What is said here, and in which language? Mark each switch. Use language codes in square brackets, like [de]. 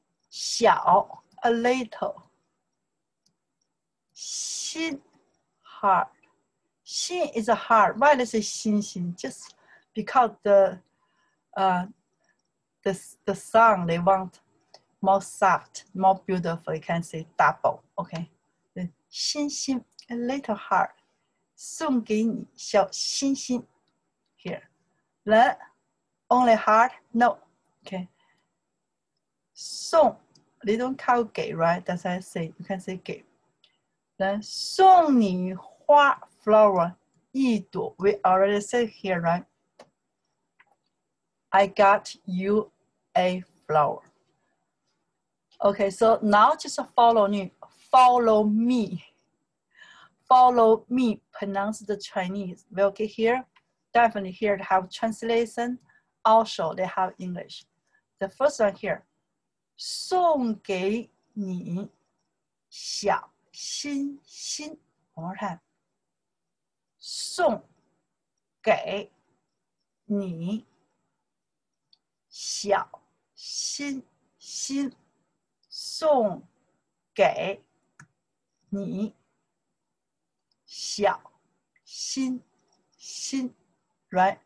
[en] 小, a little. 心, heart. 心 is a heart. Why does it say 心, 心? Just because the song they want more soft, more beautiful. You can say double, okay. 心, 心, a little heart. [zh] 送给你小心心 [en] here. Then, only heart, no. Okay. 送, they don't call 给, right? That's what I say. You can say 给. Then, [zh] 送你花 [en] flower, [zh] 一朵 [en] We already said here, right? I got you a flower. Okay, so now just follow me. Follow me. Follow me, pronounce the Chinese. We'll get here. Definitely here they have translation. Also, they have English. The first one here. [zh] 送给你小心心 [en] One more time. [zh] 送给你小心心送给你小心心 [en] right?